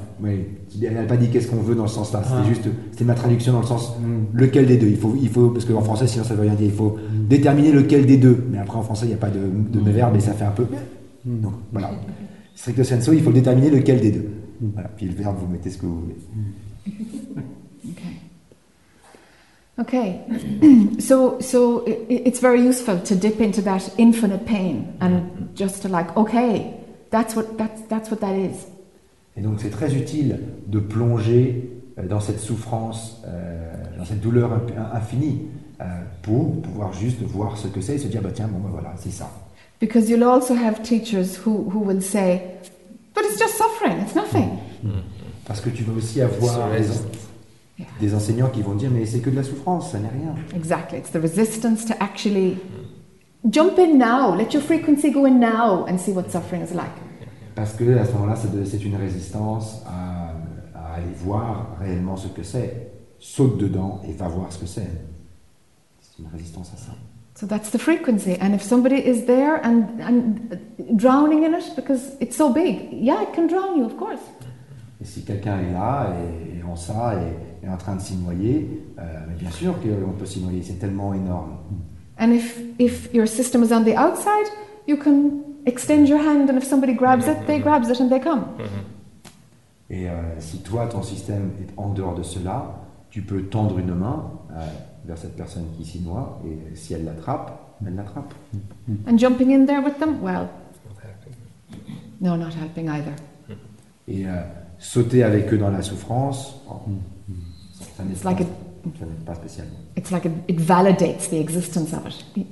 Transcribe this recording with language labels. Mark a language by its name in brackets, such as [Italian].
[French] Oui, elle n'a pas dit qu'est-ce qu'on veut dans ce sens-là. C'était ma traduction dans le sens lequel des deux. Il faut parce qu'en français, sinon ça ne veut rien dire. Il faut déterminer lequel des deux. Mais après, en français, il n'y a pas de verbe et ça fait un peu. Donc, voilà. Stricto sensu, il faut déterminer lequel des deux. Voilà. Puis le verbe, vous mettez ce que vous voulez. [English] Okay. Okay, so it's very useful to dip into that infinite pain and just to like, okay, that's what that is. [French] Et donc c'est très utile de plonger dans cette souffrance, dans cette douleur infinie, pour pouvoir juste voir ce que c'est et se dire, bah tiens, bon ben voilà, c'est ça. [English] Because you'll also have teachers who will say, but it's just suffering, it's nothing. [French] Parce que tu vas aussi avoir des enseignants qui vont dire, mais c'est que de la souffrance, ça n'est rien. [English] Exactly, it's the resistance to actually jump in now, let your frequency go in now and see what suffering is like. [French] Parce que à ce moment-là, c'est une résistance à aller voir réellement ce que c'est. Saute dedans et va voir ce que c'est. C'est une résistance à ça. [English] So that's the frequency. And if somebody is there and drowning in it because it's so big, yeah, it can drown you, of course. [French] Et si quelqu'un est là et en ça et est en train de s'y noyer, mais bien sûr qu'on peut s'y noyer. C'est tellement énorme. [English] And if your system is on the outside, you can extend your hand, and if somebody grabs it, they grabs it and they come. [French] Et si toi ton système est en dehors de cela, tu peux tendre une main vers cette personne qui s'y noie, et si elle l'attrape, elle l'attrape. [English] And jumping in there with them, well, no, not helping either. [French] Et sauter avec eux dans la souffrance, ça n'est pas spécialement. [English] It's like it validates the existence of it.